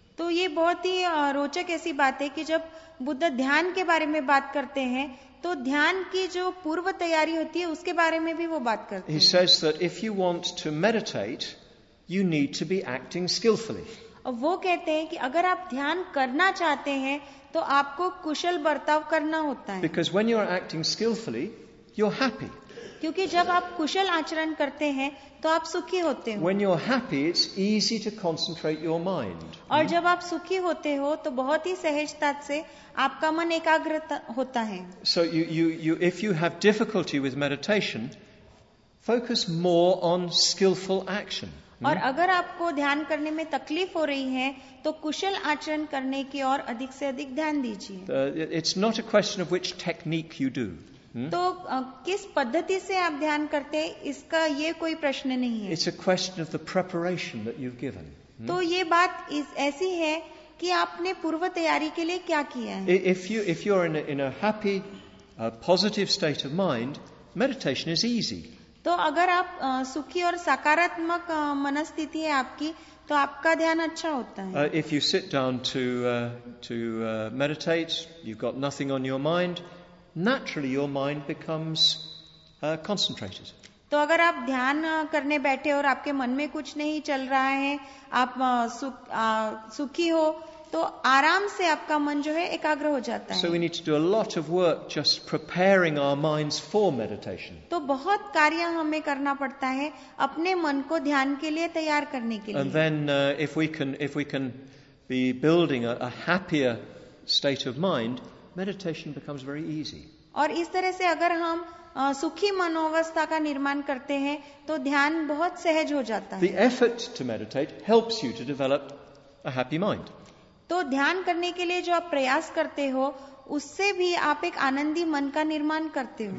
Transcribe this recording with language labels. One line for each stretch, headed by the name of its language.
Hindi: तो ये बहुत ही रोचक ऐसी बात है कि जब बुद्ध ध्यान के बारे में बात करते हैं तो ध्यान की जो पूर्व तैयारी होती है उसके बारे में भी वो बात करते हैं.
English: He says that if you want to meditate, you need to be acting skillfully.
Hindi: वो कहते हैं कि अगर आप ध्यान करना चाहते हैं तो आपको कुशल बर्ताव करना होता है.
English: Because when you are acting skillfully, you're happy.
Hindi: क्योंकि जब आप कुशल आचरण करते हैं तो आप सुखी होते हो.
English: When you're happy, it's easy to concentrate your mind.
Hindi: और जब आप सुखी होते हो तो बहुत ही सहजता से आपका मन एकाग्र होता है.
English: So you if you have difficulty with meditation, focus more on skillful action.
Hindi: और अगर आपको ध्यान करने में तकलीफ हो रही है तो कुशल आचरण करने की ओर अधिक से अधिक ध्यान दीजिए.
English: It's not a question of which technique you do.
Hindi: तो किस पद्धति से आप ध्यान करते हैं इसका ये कोई प्रश्न नहीं है.
English: It's a question of the preparation that you've given.
Hindi: तो ये बात ऐसी है कि आपने पूर्व तैयारी के लिए क्या किया है.
English: If you're in a happy, positive state of mind, meditation is easy.
Hindi: तो अगर आप सुखी और सकारात्मक मनस्थिति है आपकी तो आपका ध्यान अच्छा होता है.
English: If you sit down to meditate, you've got nothing on your mind. Naturally, your mind becomes concentrated.
Hindi: तो अगर आप ध्यान करने बैठे और आपके मन में कुछ नहीं चल रहा है, आप सुखी हो, तो आराम से आपका मन जो है एकाग्र हो जाता है.
English: So we need to do a lot of work just preparing our minds for meditation.
Hindi: तो बहुत कार्य हमें करना पड़ता है अपने मन को ध्यान के लिए तैयार करने के लिए.
English: And then if we can be building a happier state of mind, meditation becomes very easy.
Hindi: और इस तरह से अगर हम सुखी मनोवस्था का निर्माण करते हैं तो ध्यान बहुत सहज हो जाता है.
English: The effort to meditate helps you to develop a happy mind.
Hindi: तो ध्यान करने के लिए जो आप प्रयास करते हो उससे भी आप एक आनंदी मन का निर्माण करते हो.